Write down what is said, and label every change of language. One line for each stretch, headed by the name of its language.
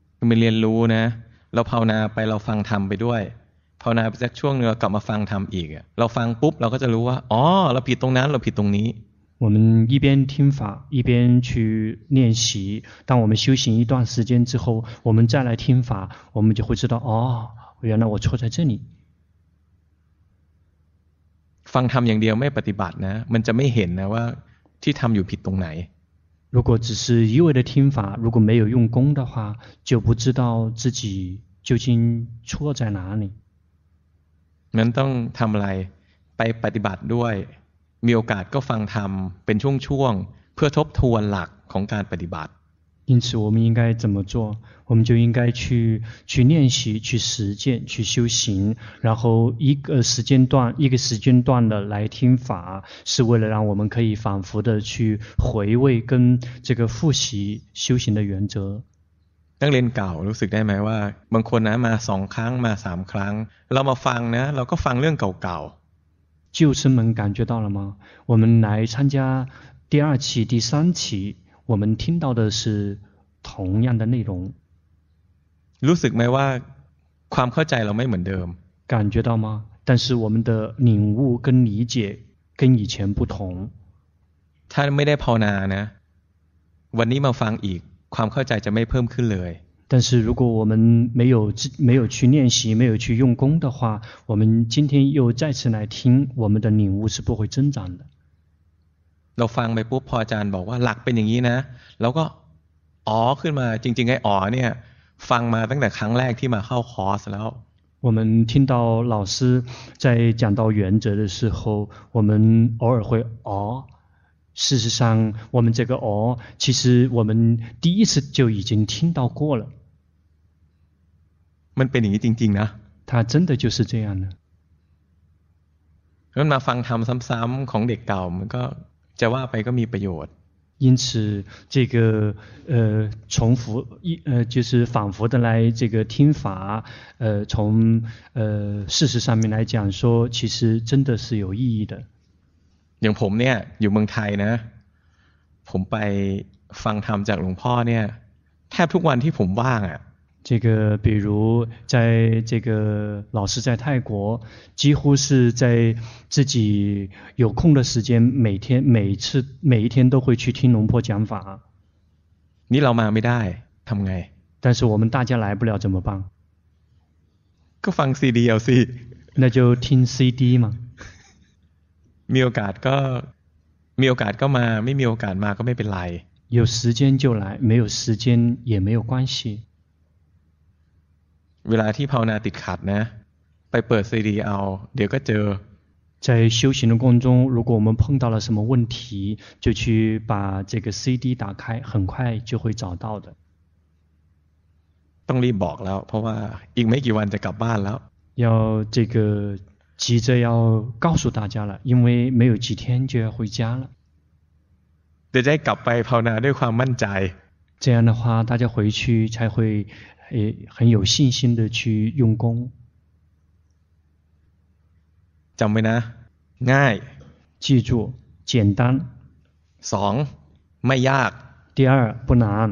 Thai: มันเรียนรู้นะเราภาวนาไปเราฟังธรรมไปด้วยภาวนาสักช่วงนึงกลับมาฟังธรรมอีกเราฟังปุ๊บเราก็จะรู้ว่าอ๋อเราผิดตรงนั้นเราผิดตรงนี้
Chinese: 我们一边听法一边去练习当我们修行一段时间之后我们再来听法我们就会知道อ๋อ原来我错在这里
Thai: ฟังธรรมอย่างเดียวไม่ปฏิบัตินะมันจะไม่เห็นนะว่าที่ทำอยู่ผิดตรงไหน รู้ก็
Chinese: 只是一味的听法如果没有用功的话就不知道自己究竟错在哪里
Thai: มันต้องทำอะไรไปปฏิบัติด้วยมีโอกาสก็ฟังธรรมเป็นช่วงๆเพื่อทบทวนหลักของการปฏิบัติ
Chinese: 因此我们应该怎么做我们就应该去练习去实践去修行然后一个时间段一个时间段的来听法是为了让我们可以反复的去回味跟这个复习修行的原则
Thai: นักเรียนเก่ารู้สึกได้ไหมว่าบางคนนะมาสองครั้งมาสามครั้งเรามาฟังนะเราก็ฟังเรื่องเก่า
Chinese: ๆ旧生们感觉到了吗我们来参加第二期第三期我们听到的是同样的内容
Thai: รู้สึกไหมว่าความเข้าใจเราไม่เหมือนเดิม
Chinese: 感觉到吗但是我们的领悟跟理解跟以前不同
Thai: ถ้าไม่ได้ภาวนานะวันนี้มาฟังอีกความเข้าใจจะไม่เพิ่มขึ้นเลย
Chinese: 但是如果我们没有去练习没有去用功的话我们今天又再次来听我们的领悟是不会增长的
Thai: เราฟังไปปุ๊บพออาจารย์บอกว่าหลักเป็นอย่างนี้นะเราก็อ๋อขึ้นมาจริงๆไอ้อ๋อเนี่ยฟังมาตั้งแต่ครั้งแรกที่มาเข้าคอร์สแล้ว
Chinese: 我们听到老师在讲到原则的时候我们偶尔会อ๋อ事实上我们这个อ๋อ其实我们第一次就已经听到过了
Thai: มันเป็นอย่างนี้จริงๆนะ
Chinese: 它真的就是这样的
Thai: มันมาฟังทำซ้ำๆของเด็กเก่ามันก็จะว่าไปก็มีประโยชน์
Chinese: 因此这个重复就是反复的来这个听法从事实上面来讲说其实真的是有意义的
Thai: อย่างผมเนี่ยอยู่เมืองไทยนะผมไปฟังธรรมจากหลวงพ่อเนี่ยแทบทุกวันที่ผมว่างอ่ะ
Chinese: 这个比如在这个老师在泰国几乎是在自己有空的时间每天每次每一天都会去听龙婆讲法
Thai: นี่เรามาไม่ได้ทำไง
Chinese: 但是我们大家来不了怎么办
Thai: ก็ฟังซีดีเอาสิ
Chinese: 那就听 CD 嘛
Thai: มีโอกาสก็มีโอกาสก็มาไม่มีโอกาสมาก็ไม่เป็นไร
Chinese: 有时间就来没有时间也没有关系
Thai: เวลาที่ภาวนาติดขัดนะไปเปิดซีดีเอาเดี๋ยวก็เจอ
Chinese: 在修行的过程中如果我们碰到了什么问题就去把这个 CD 打开很快就会找到的
Thai: ต้องรีบบอกแล้วเพราะว่าอีกไม่กี่วันจะกลับบ้านแล้ว
Chinese: 要这个急着要告诉大家了因为没有几天就要回家了
Thai: จะได้กลับไปภาวนาด้วยความมั่นใจ
Chinese: 这样的话大家回去才会也很有信心的去用功
Thai: จำไว้นะง่าย
Chinese: 记住简单
Thai: สองไม่ยาก
Chinese: 第二不难